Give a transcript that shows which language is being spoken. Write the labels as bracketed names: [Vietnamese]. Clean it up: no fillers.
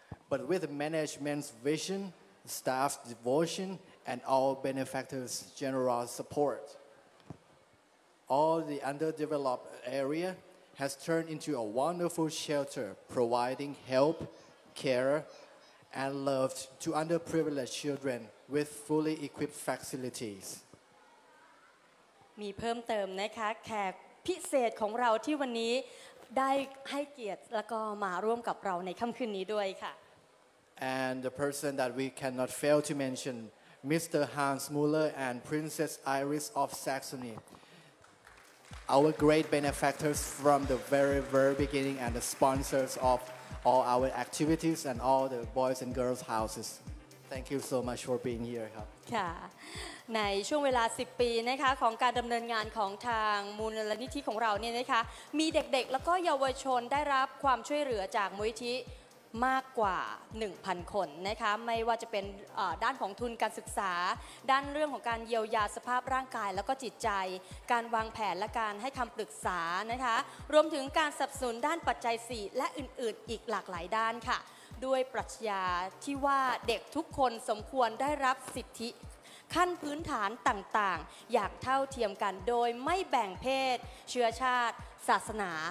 [English] But with management's vision, staff's devotion, and all benefactors' generous support, all the underdeveloped area has turned into a wonderful shelter providing help, care,and loved to underprivileged children with fully equipped facilities. [Thai] มีเพิ่มเติมนะคะแขกพิเศษของเราที่วันนี้ได้ให้เกียรติแล้วก็มาร่วมกับเราในค่ำคืนนี้ด้วยค่ะ [English] And the person that we cannot fail to mention, Mr. Hans Muller and Princess Iris of Saxony, our great benefactors from the very, very beginning and the sponsors of. All our activities and all the boys and girls houses. Thank you so much for being here. ครับ [Thai] ค่ะ ในช่วงเวลา 10 ปี นะคะ ของการดำเนินงานของทางมูลนิธิของเราเนี่ยนะคะ มีเด็กๆแล้วก็เยาวชนได้รับความช่วยเหลือจากมูลนิธิ มากกว่า 1,000 คนนะคะไม่ว่าจะเป็นด้านของทุนการศึกษาด้านเรื่องของการเยียวยาสภาพร่างกายแล้วก็จิตใจการวางแผนและการให้คำปรึกษานะคะรวมถึงการสนับสนุนด้านปัจจัย4และอื่นๆอีกหลากหลายด้านค่ะด้วยปรัชญาที่ว่าเด็กทุกคนสมควรได้รับสิทธิขั้นพื้นฐานต่างๆอย่างเท่าเทียมกันโดยไม่แบ่งเพศเชื้อชาติศาสนาและฐานะค่ะ